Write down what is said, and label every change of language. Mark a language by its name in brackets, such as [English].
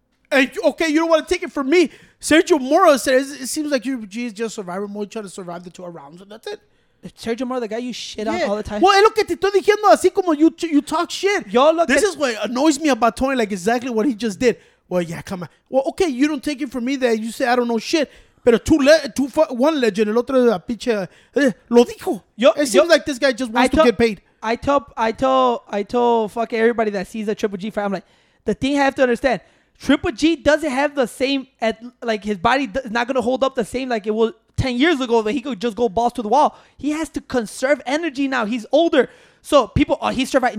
[English] And okay, you don't want to take it from me. Sergio Moro said it seems like Triple G is just survivor mode, trying to survive the 2 rounds, and that's it. Sergio Moro, the guy you shit on all the time. Well, [Spanish] es lo que te estoy diciendo, así como [English] you talk shit. This is what annoys me about Tony. Like exactly what he just did. Well, yeah, come on. Well, okay, you don't take it from me that you say I don't know shit. [Spanish] Pero [English] one legend, [Spanish] el otro de la pinche, lo dijo. [English] It seems like this guy just wants to get paid. I told fuck everybody that sees a Triple G fight. I'm like, the thing I have to understand, Triple G doesn't have the same, his body is not going to hold up the same like it was 10 years ago that he could just go balls to the wall. He has to conserve energy now. He's older. So people, he survived.